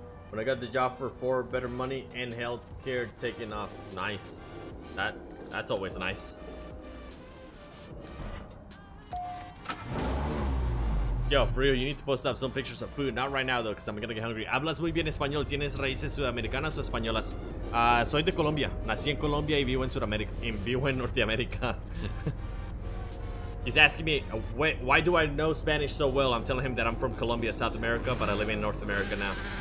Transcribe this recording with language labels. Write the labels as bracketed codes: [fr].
[en] When I got the job for 4, better money and health care taking off. Nice. That's always nice. Yo, for real, you need to post up some pictures of food. Not right now, though, because I'm going to get hungry. [es] Hablas muy bien español. ¿Tienes raíces sudamericanas o españolas? Soy de Colombia. Nací en Colombia y vivo en Sudamérica. Y vivo en Norteamérica. [en] He's asking me, why do I know Spanish so well? I'm telling him that I'm from Colombia, South America, but I live in North America now.